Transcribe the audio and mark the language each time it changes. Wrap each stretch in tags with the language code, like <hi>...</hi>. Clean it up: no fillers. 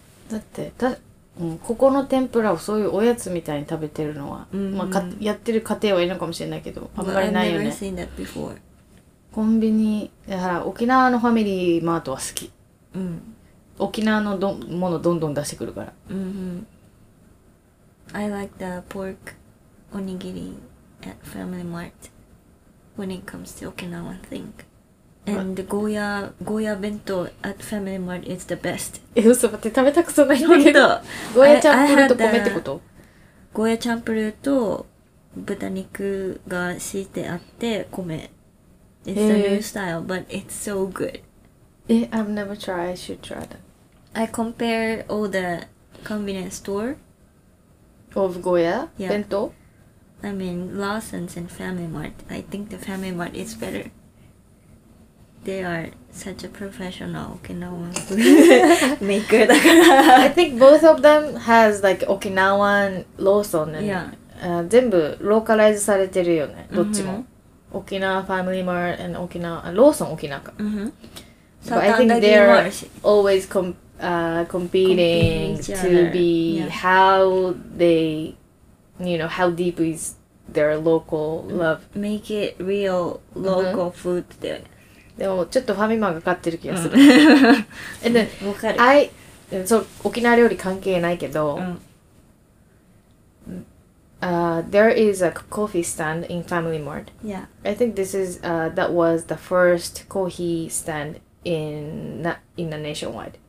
<ja>だってた、うん、ここの天ぷらをそういうおやつみたいに食べてるのは、うんうん、まあ、やってる家庭はいるのかもしれないけど、あんまりないよね。</ja> <en>I've never seen that before.</en> <ja>コンビニ、だから沖縄のファミリーマートは好き。うん、沖縄のものどんどん出してくるから。</ja> <en>うんうん、I like the pork onigiri at Family Mart when it comes to Okinawan thing. And the goya bento at Family Mart is the best.</en> <ja>え、嘘、待って、食べたくそないんだけど。ゴーヤチャンプルと米ってこと？ゴーヤチャンプルと豚肉が敷いてあって米。</ja> <en>It's a new style, but it's so good. I've never tried. I should try that. I compare all the convenience store. Of goya? Yeah. Bento? I mean, Lawson's and Family Mart. I think the Family Mart is better. They are such a professional Okinawan maker. I think both of them has like Okinawan Lawson. Yeah.</en> <ja>Zenbu</ja> <en>localize</en> <ja>されてるよね。どっちも。</ja> <en>Okinawa Family Mart and Okinawa Lawson Okinawa. Mm-hmm. But I think they are always competing to be how they, you know, how deep is their local love. Make it real local food there.</en> <ja>でもちょっとファミマが勝ってる気がする。うん、分かる。そう、沖縄料理関係ないけど、うん、</ja> <en>there is a coffee stand in Family Mart. Yeah. I think this is that was the first coffee stand in the nationwide.</en>